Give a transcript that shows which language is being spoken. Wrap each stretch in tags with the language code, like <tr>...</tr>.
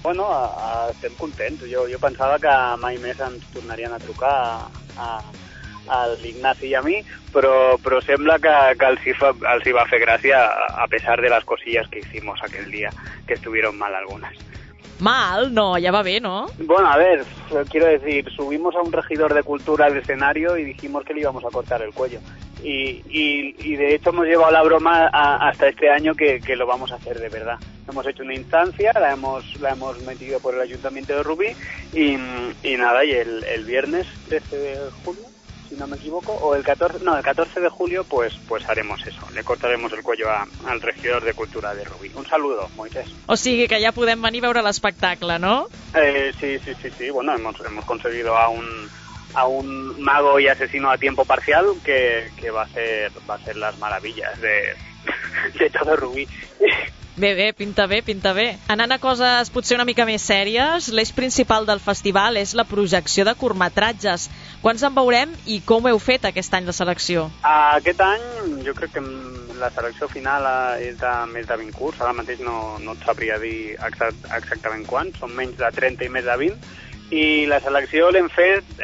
<ca>Bueno, estem contents. Jo pensava que mai més ens tornarien a trucar a l'Ignasi i a mi, però sembla que els hi va fer gràcia a pesar de les</ca> <es>cosillas que hicimos aquel dia, que estuvieron mal algunas. Mal, no, ya va bien, ¿no? Bueno, a ver, quiero decir, subimos a un regidor de cultura al escenario y dijimos que le íbamos a cortar el cuello. Y de hecho hemos llevado la broma hasta este año que lo vamos a hacer de verdad. Hemos hecho una instancia, la hemos metido por el Ayuntamiento de Rubí y nada, y el viernes 13 de julio, si no me equivoco, o el 14, no, el 14 de julio, pues haremos eso, le cortaremos el cuello al regidor de Cultura de Rubí. Un saludo, Moisés.</es> <ca>O sigui que ja podem venir a veure l'espectacle, no?</ca> <es>Sí, bueno, hemos conseguido a un mago y asesino a tiempo parcial que va a ser las maravillas de todo Rubí.</es> <ca>Bé, pinta bé. Anant a coses potser una mica més sèries, l'eix principal del festival és la projecció de curtmetratges. Quants en veurem i com heu fet aquest any la selecció? Aquest any jo crec que la selecció final és de més de 20 curts, ara mateix no et sabria dir exactament quants, són menys de 30 i més de 20, i la selecció l'hem fet</ca>